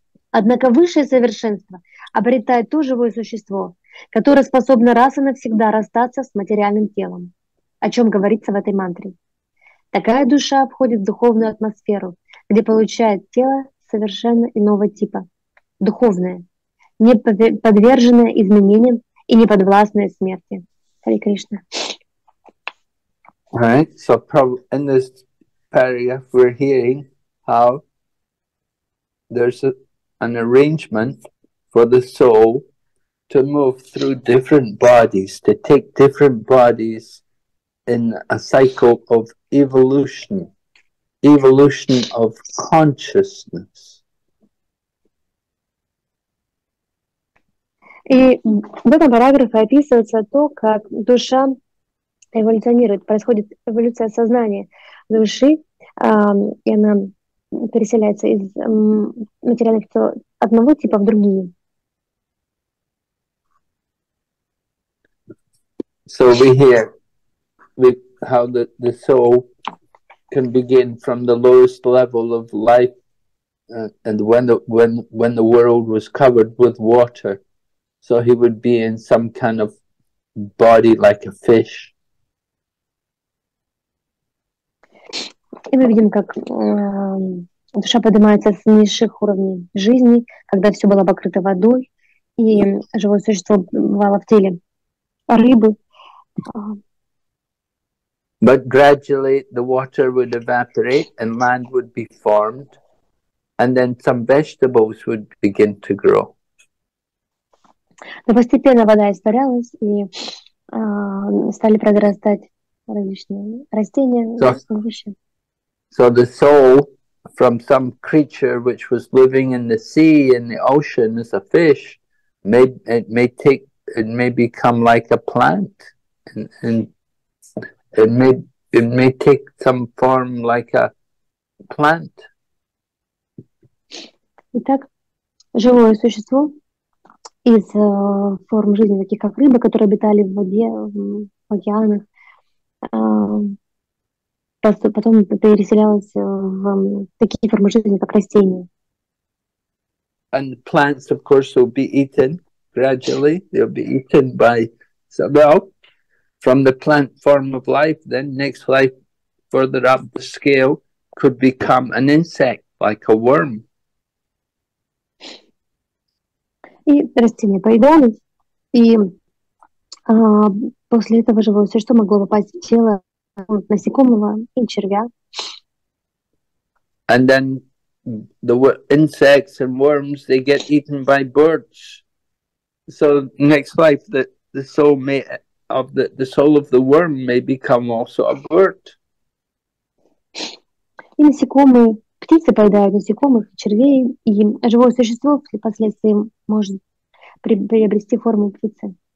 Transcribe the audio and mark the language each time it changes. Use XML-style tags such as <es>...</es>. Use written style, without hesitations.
<ru>Однако высшее совершенство обретает то живое существо, которое способно раз и навсегда расстаться с материальным телом, о чем говорится в этой мантре. Такая душа входит в духовную атмосферу, где получает тело совершенно иного типа, духовное, не подверженное изменениям и не подвластное смерти. Хари Кришна.</ru> <en>All right, so in this paragraph we're hearing how there's an arrangement for the soul to move through different bodies, to take different bodies in a cycle of evolution, evolution of consciousness.</en> <ru>И в этом параграфе описывается то, как душа эволюционирует, происходит эволюция сознания души, и она переселяется из материальных тел одного типа в другие.</ru> <en>So we hear with how the soul can begin from the lowest level of life, and when the world was covered with water. So he would be in some kind of body like a fish.</en> <ru>И мы видим, как душа поднимается с низших уровней жизни, когда все было покрыто водой, и живое существо бывало в теле рыбы.</ru> <en>But gradually the water would evaporate and land would be formed, and then some vegetables would begin to grow.</en> <ru>Но постепенно вода испарялась, и стали прорастать различные растения, овощи.</ru> <en>So the soul from some creature which was living in the sea in the ocean as a fish may become like a plant, and it may take some form like a plant.</en> <ru>Итак, живое существо из форм жизни, таких как рыбы, которые обитали в воде, в океанах, потом переселялась в такие формы жизни, как растения.</ru> <en>And plants, of course, will be eaten gradually. They'll be eaten by well, from the plant form of life. Then next life, further up the scale, could become an insect, like a worm.</en> <ru>И растения поедались, и после этого живое существо могло попасть в тело насекомого и червя.</ru> <en>And then the insects and worms, they get eaten by birds. So next life, the soul of the worm may become also a bird.</en> <ru>И насекомые, птицы поедают насекомых, червей, и живое существо впоследствии может приобрести форму птицы.</ru>